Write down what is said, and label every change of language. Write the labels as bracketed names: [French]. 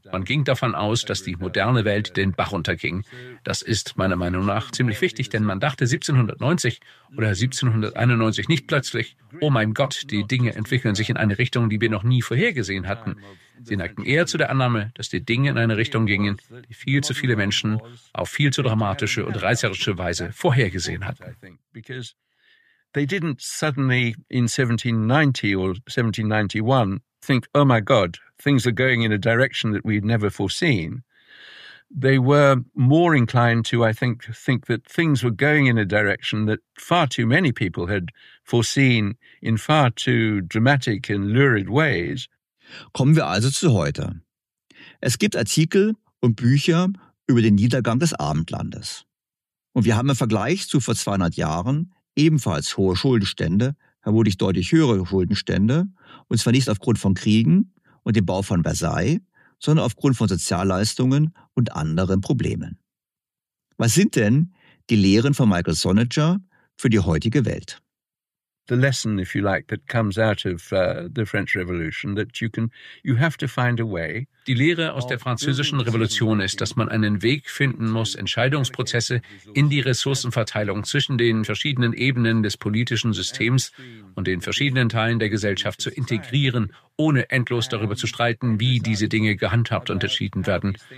[German] Man ging davon aus, dass die moderne Welt den Bach unterging. Das ist meiner Meinung nach ziemlich wichtig, denn man dachte 1790 oder 1791 nicht plötzlich oh mein Gott, die Dinge entwickeln sich in eine Richtung, die wir noch nie vorhergesehen hatten. Sie neigten eher zu der Annahme, dass die Dinge in eine Richtung gingen, die viel zu viele Menschen auf viel zu dramatische und reißerische Weise vorhergesehen hatten. [English] They didn't suddenly in 1790 or 1791 think, oh my God, things are going in a direction that we'd never foreseen. They were more inclined to, I think that things were going in a direction that far too many people had foreseen in far too dramatic and lurid ways. [German] Kommen wir also zu heute. Es gibt Artikel und Bücher über den Niedergang des Abendlandes. Und wir haben im Vergleich zu vor 200 Jahren ebenfalls hohe Schuldenstände, vermutlich deutlich höhere Schuldenstände, und zwar nicht aufgrund von Kriegen und dem Bau von Versailles, sondern aufgrund von Sozialleistungen und anderen Problemen. Was sind denn die Lehren von Michael Sonniger für die heutige Welt? [English] The lesson, if you like, that comes out of the French Revolution, that you have to find a way. [German] Die Lehre aus der französischen Revolution ist, dass man einen Weg finden muss, Entscheidungsprozesse in die Ressourcenverteilung zwischen den verschiedenen Ebenen des politischen Systems und den verschiedenen Teilen der Gesellschaft zu integrieren, ohne endlos darüber zu streiten, wie diese Dinge gehandhabt und entschieden werden.